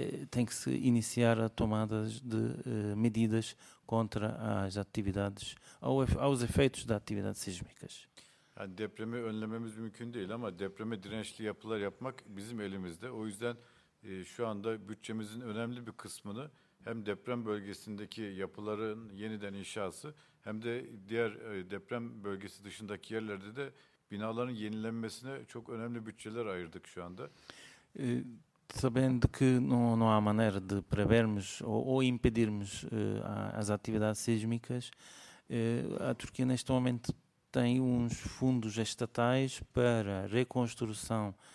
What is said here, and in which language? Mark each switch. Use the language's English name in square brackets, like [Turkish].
[Portuguese] tem que se iniciar a tomada de medidas contra as atividades aos efeitos da atividade sísmicas. [Turkish] Yani depremi önlememiz mümkün değil ama depreme dirençli yapılar yapmak bizim elimizde. O yüzden şu anda bütçemizin önemli bir kısmını hem deprem bölgesindeki yapıların yeniden inşası hem de diğer deprem bölgesi dışındaki yerlerde de binaların yenilenmesine çok önemli bütçeler ayırdık şu anda. [Portuguese] Sabendo que não há maneira de prevermos ou impedirmos as atividades sísmicas, a Turquia neste momento tem uns fundos estatais para reconstrução